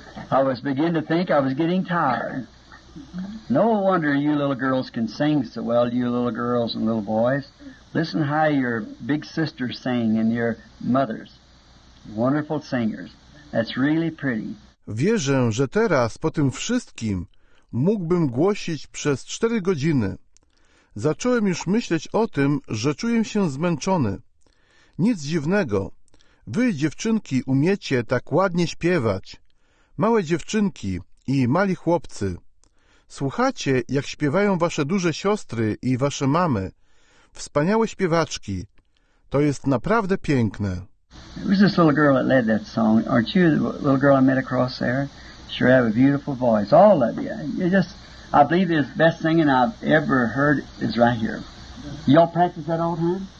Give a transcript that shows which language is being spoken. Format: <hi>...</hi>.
<en>I was beginning to think I was getting tired. No wonder you little girls can sing so well, you little girls and little boys. Listen how your big sisters sing and your mothers. Wonderful singers. That's really pretty.</en> <pl>Wierzę, że teraz po tym wszystkim mógłbym głosić przez 4 godziny. Zacząłem już myśleć o tym, że czuję się zmęczony. Nic dziwnego. Wy, dziewczynki, umiecie tak ładnie śpiewać. Małe dziewczynki i mali chłopcy. Słuchacie, jak śpiewają wasze duże siostry i wasze mamy. Wspaniałe śpiewaczki. To jest naprawdę piękne.</pl> <en>Who's this little girl that led that song? Aren't you the little girl I met across there? Sure have a beautiful voice. All of you. I believe the best singing I've ever heard is right here. Y'all practice that all the time?</en>